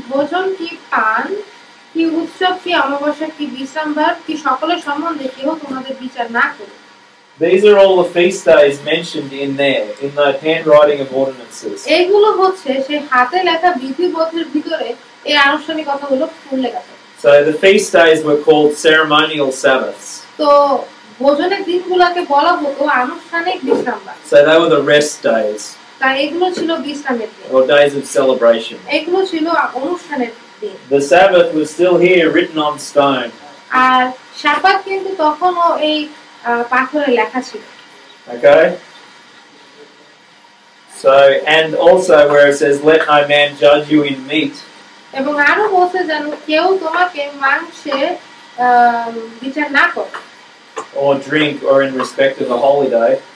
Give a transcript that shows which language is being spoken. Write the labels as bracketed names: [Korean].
[Bangla] কি উৎসব কি অমাবস্যা কি বিশ্রামবার কি সকলের সম্বন্ধে কেহ তোমাদের বিচার না করে. [English] These are all the feast days mentioned in there, in the handwriting of ordinances. [Bangla] এইগুলো হচ্ছে সেই হাতে লেখা বিধিবদ্ধের ভিতরে এই আনুষ্ঠানিকতাগুলো উল্লেখ আছে. [English] So the feast days were called ceremonial Sabbaths. [Bangla] তো ভোজনের দিনগুলোকে বলা হতো আনুষ্ঠানিক বিশ্রামবার. [English] So they were the rest days. [Bangla] তাই এগুলো ছিল বিশ্রামের দিন. [English] Or days of celebration. [Bangla] এগুলো ছিল অনুষ্ঠানের দিন. [English] The Sabbath was still here written on stone. [Bangla] আর শাবাত কিন্তু তখনও এই পাথরে লেখা ছিল. [English] Okay. So and also where it says let no man judge you in meat. [Bangla] এবং আরো বলছে যেন কেউ তোমাকে মাংসে বিচার না করে. [English] Or drink or in respect of a holy day.